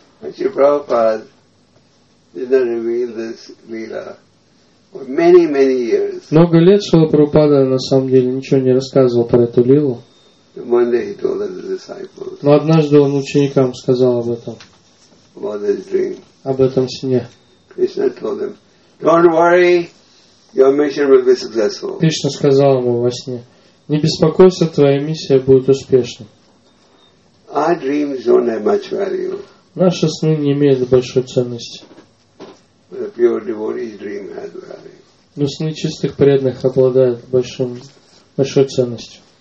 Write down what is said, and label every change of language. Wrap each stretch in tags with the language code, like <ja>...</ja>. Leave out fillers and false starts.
<en>Actually, Prabhupada did not reveal this lila for many, many years.</en> <ru>Много лет Шрила Прабхупада на самом деле ничего не рассказывал про эту лилу.</ru> <en>One day he told the disciples.</en> <ru>Но однажды он ученикам сказал об этом.</ru> <en>About his dream.</en> <ru>Об этом сне.</ru> <en>Krishna told them, "Don't worry, your mission will be successful."</en> <ru>Кришна сказал ему во сне: "Не беспокойся, твоя миссия будет успешной."</ru> <en>Our dreams don't have much value.</en> <ru>Наши сны не имеют большой ценности.</ru> <en>But a pure devotee's dream has value.</en> <ru>Но сны чистых преданных обладают большой ценностью.</ru>